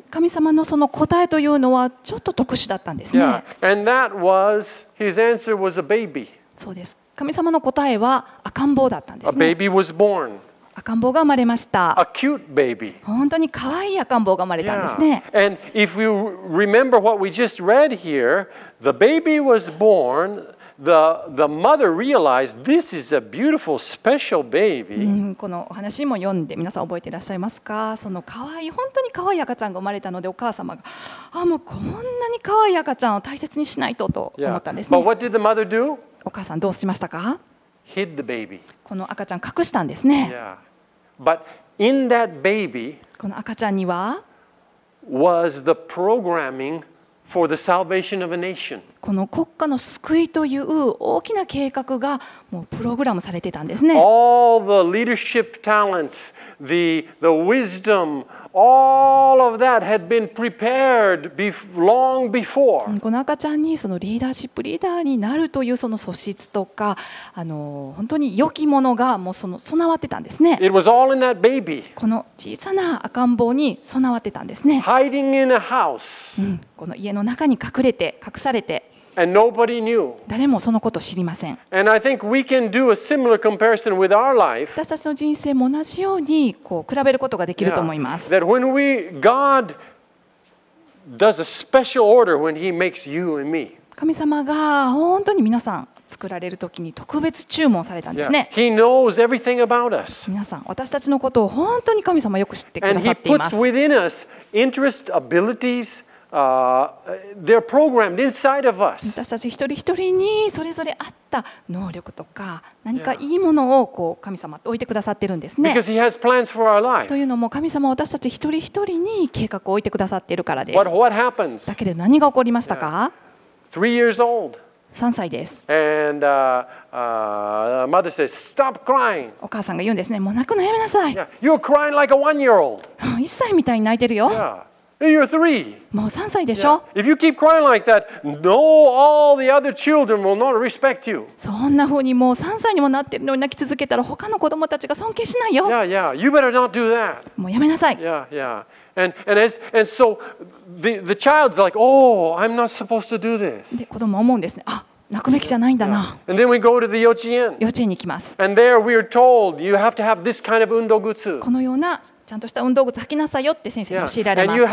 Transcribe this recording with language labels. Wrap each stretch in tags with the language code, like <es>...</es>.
<ja>神様のその答えというのはちょっと特殊だったんですね。</ja> <en>Yeah. And that was, his answer was a baby.</en> <ja>そうです。神様の答えは赤ん坊だったんですね。</ja> <en>A baby was born.</en> <ja>赤ん坊が生まれました。</ja> <en>A cute baby.</en> <ja>本当に可愛い赤ん坊が生まれたんですね。</ja> <en>Yeah. And if you remember what we just read here, the baby was born. The mother realized this is a beautiful special baby.</en> <ja>このお話も読んで皆さん覚えていらっしゃいますか？その可愛い本当に可愛い赤ちゃんが生まれたのでお母様が、もうこんなに可愛い赤ちゃんを大切にしないとと思ったんですね。</ja> <en>But what did the mother do?</en> <ja>お母さんどうしましたか？</ja> <en>Hid the baby.</en> <ja>この赤ちゃん隠したんですね。</ja> <en>Yeah. But in that baby,</en> <ja>この赤ちゃんには</ja> <en>was the programming. For the salvation of a nation.</en> <ja>この国家の救いという大きな計画がもうプログラムされてたんですね。</ja> <en>All the leadership talents, the wisdom, All of that had been prepared long before.</en> <ja>この赤ちゃんにそのリーダーシップリーダーになるというその素質とか、本当に良きものがもうその備わってたんですね。</ja> <en>It was all in that baby.</en> <ja>この小さな赤ん坊に備わってたんですね。</ja> <en>Hiding in a house.</en> <ja>この家の中に隠れて隠されて。</ja> <en>And nobody knew.</en> <ja>誰もそのことを知りません。</ja> <en>And I think we can do a similar comparison with our life.</en> <ja>私たちの人生も同じようにこう比べることができると思います。</ja> <en>Yeah. That when we God does a special order when He makes you and me.</en> <ja>神様が本当に皆さん作られるときに特別注文されたんですね。</ja> <en>Yeah. He knows everything about us.</en> <ja>皆さん私たちのことを本当に神様よく知ってくださっています。</ja> <en>And He puts within us interest abilities. They're programmed inside of us.</en> <ja>私たち一人一人にそれぞれあった能力とか何かいいものをこう神様置いてくださってるんですね。</ja> <en>Because he has plans for our life.</en> <ja>というのも神様は私たち一人一人に計画を置いてくださっているからです。</ja> <en>What happens?</en> <ja>だけど何が起こりましたか</ja> <en>？3 years old.</en> <ja>3歳です。</ja> <en>And mother says, "Stop crying."</en> <ja>お母さんが言うんですね。もう泣くのやめなさい。</ja> <en>Yeah. You're crying like a 1-year-old.</en> <ja>1歳みたいに泣いてるよ。</ja> <en>Yeah. You're three.</en> <ja>もう3歳でしょ。</ja> <en>Yeah. If you keep crying like that, no, all the other children will not respect you.</en> <ja>そんな風にもう3歳にもなってるのに泣き続けたら他の子供たちが尊敬しないよ。</ja> <en>Yeah, yeah. You better not do that.</en> <ja>もうやめなさい。</ja> <en>Yeah, yeah. And so the child's like, oh, I'm not supposed to do this.</en> <ja>で子供は思うんですね。あ、泣くべきじゃないんだな。</ja> <en>Yeah. And then we go to the 幼稚園。</en> <ja>幼稚園に行きます。</ja> <en>And there we are told you have to have this kind of 運動靴。</en> <ja>このようなちゃんとした運動靴履きなさいよって先生に教えられます。</ja>